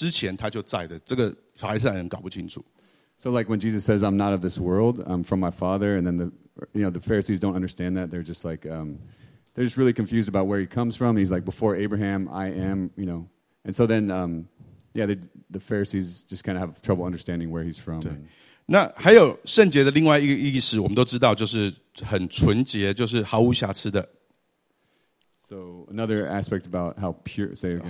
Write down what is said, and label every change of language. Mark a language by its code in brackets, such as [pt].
[zh] 所以你记不记得在圣经中有耶稣他跟这些法利赛人讲说，哦，他不是来自这世界，他是从父而来的，他是亚伯拉罕之前他就在的。这个法利赛人搞不清楚。 [en] So like when Jesus says, "I'm not of this world. I'm from my Father," and then the Pharisees don't understand that. They're just like they're just really confused about where he comes from. He's like, "Before Abraham, I am," you know. And so then the Pharisees just kind of have trouble understanding where he's from. [zh] 那还有圣洁的另外一个意思，我们都知道就是很纯洁，就是毫无瑕疵的。 [en] So another aspect about how pure, say again.